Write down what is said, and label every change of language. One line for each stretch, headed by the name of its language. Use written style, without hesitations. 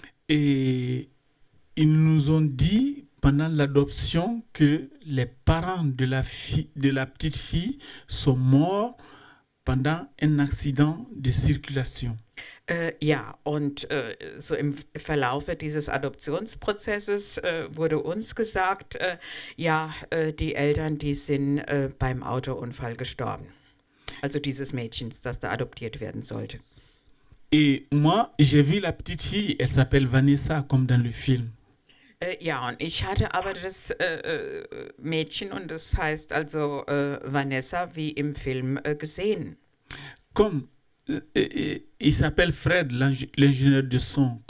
French: Et ils nous ont dit pendant l'adoption que les parents de la petite fille sont morts pendant un accident de circulation.
German: Ja, und so im Verlaufe dieses Adoptionsprozesses wurde uns gesagt, ja, die Eltern, die sind beim Autounfall gestorben. Also dieses Mädchens, das da adoptiert werden sollte.
French: Et moi, j'ai vu la petite fille, elle s'appelle Vanessa, comme dans le film.
German: Ja, und ich hatte aber das Mädchen, und das heißt also Vanessa, wie im Film gesehen.
French: Comme il s'appelle Fred, l'ingénieur du son.